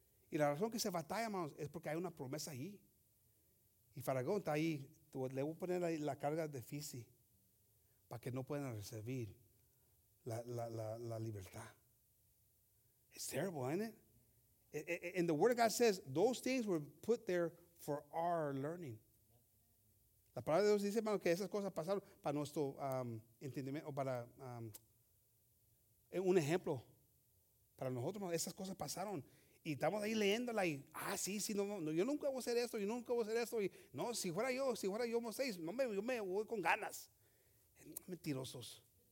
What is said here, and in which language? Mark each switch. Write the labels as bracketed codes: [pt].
[es] Y la razón que se batalla, hermanos, es porque hay una promesa ahí. Y Faraón está ahí. Le voy a poner ahí la carga difícil para que no puedan recibir la libertad. [en] It's terrible, isn't it? And the word of God says those things were put there for our learning. [es] La palabra de Dios dice, hermano, que esas cosas pasaron para nuestro entendimiento, para un ejemplo para nosotros, hermano. Esas cosas pasaron. Y estamos ahí leyéndola y, no, yo nunca voy a hacer esto. Y, no, si fuera yo, Moisés, no, yo me voy con ganas. Mentirosos.